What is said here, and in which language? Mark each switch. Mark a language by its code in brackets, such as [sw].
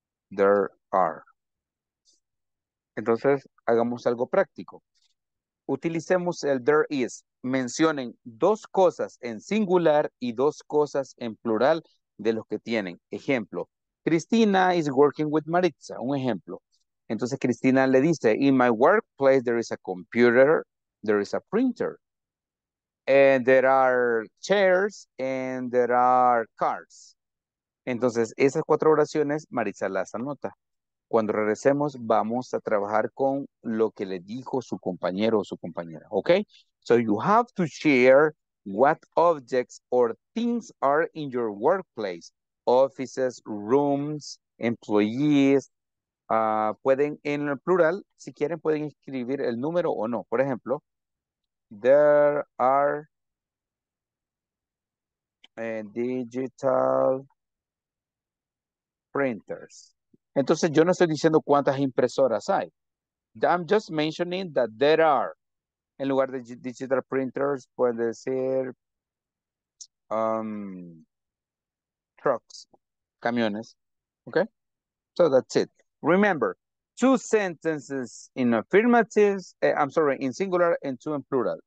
[en] There are. [es] Entonces, hagamos algo práctico. Utilicemos el there is. Mencionen dos cosas en singular y dos cosas en plural de los que tienen. Ejemplo, [en] Cristina is working with Maritza. [es] Un ejemplo. Entonces, Cristina le dice, [en] in my workplace there is a computer, there is a printer, and there are chairs, and there are cars. [es] Entonces, esas cuatro oraciones, Maritza las anota. Cuando regresemos, vamos a trabajar con lo que le dijo su compañero o su compañera. [en] Okay? So you have to share what objects or things are in your workplace. Offices, rooms, employees. [es] Pueden, en el plural, si quieren, pueden escribir el número o no. Por ejemplo, [en] there are digital printers. [es] Entonces, yo no estoy diciendo cuántas impresoras hay. [en] I'm just mentioning that there are. [es] En lugar de digital printers, puede decir trucks, camiones. [en] Okay? So, that's it. Remember, two sentences in affirmatives, I'm sorry, in singular and two in plural.